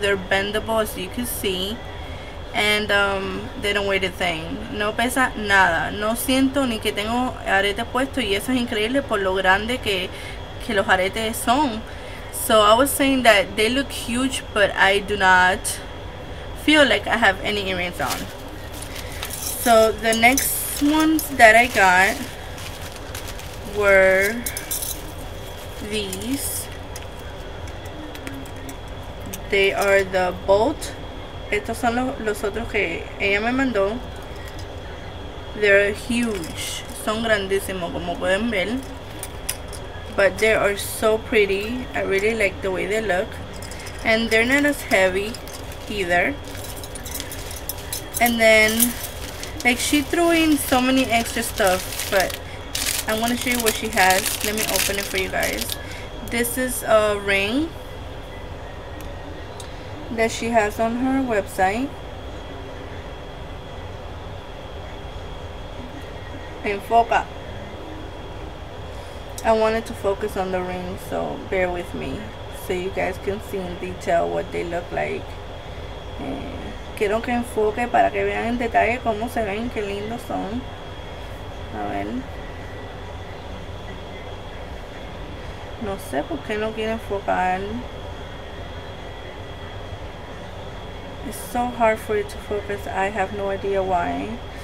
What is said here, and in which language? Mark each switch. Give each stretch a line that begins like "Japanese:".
English: They're bendable, as you can see, and they don't weigh a thing.
Spanish: No pesa nada. No siento ni que tengo aretes puestos, y eso es increíble por lo grande que los aretes son.
English: So I was saying that they look huge, but I do not feel like I have any earrings on. So the next ones that I got were these. They are the bolt.
Spanish: Estos son los otros que ella me mandó.
English: They're huge.
Spanish: Son grandísimos, como pueden ver.
English: But they are so pretty. I really like the way they look. And they're not as heavy either. And then, like, she threw in so many extra stuff, but I want to show you what she has. Let me open it for you guys. This is a ring that she has on her website.
Spanish: Enfoca.
English: I wanted to focus on the ring, so bear with me, so you guys can see in detail what they look like.
Spanish: Quiero que enfoque para que vean en detalle cómo se ven, qué lindos son. A ver. No sé por qué no quiere enfocar.
English: It's so hard for it to focus. I have no idea why.